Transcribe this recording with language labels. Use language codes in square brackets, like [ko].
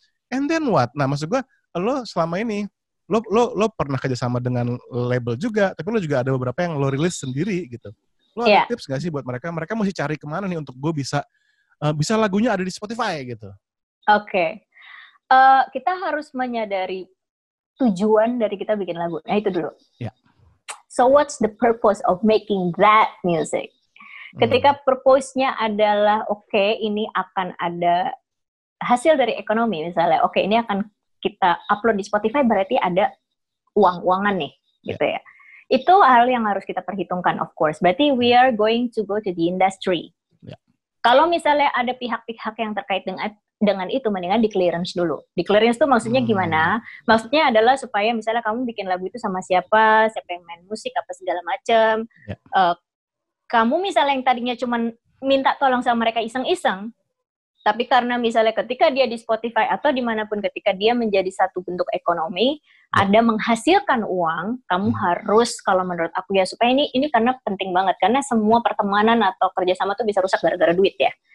[en] And then what? [id] Nah, maksud gue, lo selama ini, lo pernah kerjasama dengan label juga, tapi lo juga ada beberapa yang lo rilis sendiri gitu. Lo ada tips gak sih buat mereka? Mereka mesti cari kemana nih untuk gue bisa, bisa lagunya ada di Spotify gitu. Okay. Kita harus menyadari tujuan dari kita bikin lagu. Nah, itu dulu. [en] So, what's the purpose of making that music? [id] Ketika purpose-nya adalah, okay, ini akan ada hasil dari ekonomi, misalnya, okay, ini akan kita upload di Spotify, berarti ada uang-uangan nih, gitu ya. Itu hal yang harus kita perhitungkan, [en] of course. Berarti we are going to go to the industry. [id] Kalau misalnya ada pihak-pihak yang terkait dengan itu, mendingan di clearance dulu. Di clearance itu maksudnya gimana? Maksudnya adalah supaya misalnya kamu bikin lagu itu sama siapa, siapa yang main musik, apa segala macam. Kamu misalnya yang tadinya cuma minta tolong sama mereka iseng-iseng, tapi karena misalnya ketika dia di Spotify atau dimanapun ketika dia menjadi satu bentuk ekonomi, ada menghasilkan uang, kamu harus, kalau menurut aku ya, supaya ini karena penting banget, karena semua pertemanan atau kerjasama tuh bisa rusak gara-gara duit ya.